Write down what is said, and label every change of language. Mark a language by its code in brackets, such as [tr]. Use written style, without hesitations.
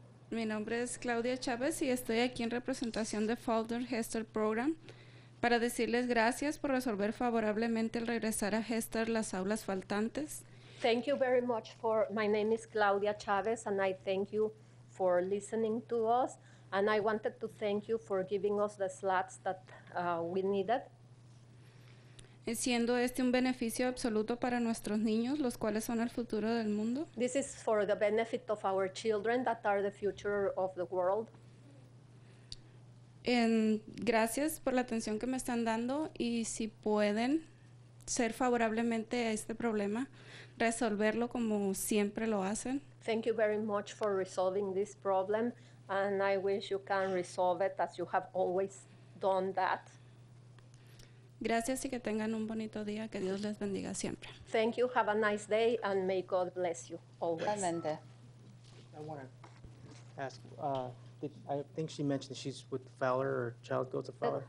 [es] Mi nombre es Claudia Chávez y estoy aquí en representación de Folder Hester Program para decirles gracias por resolver favorablemente el regresar a Hester las aulas faltantes. [en] Thank you very much for, my name is Claudia Chávez and I thank you for listening to us and I wanted to thank you for giving us the slots that we needed. [es] Siendo este un beneficio absoluto para nuestros niños, los cuales son el futuro del mundo. [en] This is for the benefit of our children that are the future of the world. [es] Gracias por la atención que me están dando y si pueden ser favorablemente a este problema, resolverlo como siempre lo hacen. [en] Thank you very much for resolving this problem and I wish you can resolve it as you have always done that. [es] Gracias y que tengan un bonito día. Que Dios les bendiga siempre. [en] Thank you. Have a nice day and may God bless you always. Amen. I want to ask, I think she mentioned she's with Fowler or Child Goes to Fowler.